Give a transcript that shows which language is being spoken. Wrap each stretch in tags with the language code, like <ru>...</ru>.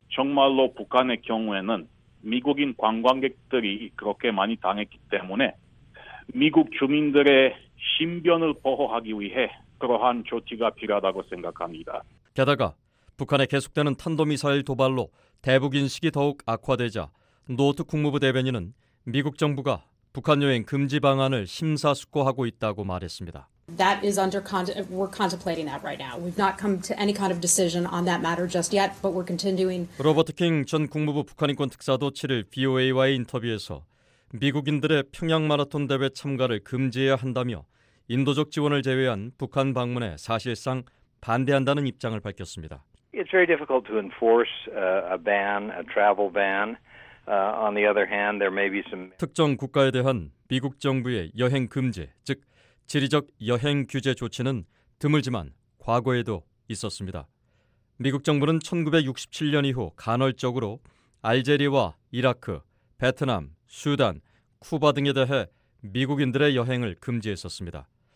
<ko>정말로 북한의 경우에는 미국인 관광객들이 그렇게 많이 당했기 때문에 미국 주민들의 신변을 보호하기 위해 그러한 조치가 필요하다고 생각합니다. 게다가 북한의 계속되는 탄도미사일 도발로 대북인식이 더욱 악화되자 노트 국무부 대변인은 미국 정부가 북한 여행 금지 방안을 심사숙고하고 있다고 말했습니다.</ko> <en>That is under we're contemplating that right now. We've not come to any kind of decision on that matter just yet, but we're continuing.</en> <ko>로버트 킹 전 국무부 북한인권 특사도 7일 VOA와의 인터뷰에서 미국인들의 평양 마라톤 대회 참가를 금지해야 한다며 인도적 지원을 제외한 북한 방문에 사실상 반대한다는 입장을 밝혔습니다.</ko> <en>It's very difficult to enforce a ban, a travel ban. On the other hand, there may be some</en> <ko>특정 국가에 대한 미국 정부의 여행 금지, 즉 지리적 여행 규제 조치는 드물지만 과거에도 있었습니다. 미국 정부는 1967년 이후 간헐적으로 알제리와 이라크, 베트남, 수단, 쿠바 등에 대해 미국인들의 여행을 금지했었습니다.</ko>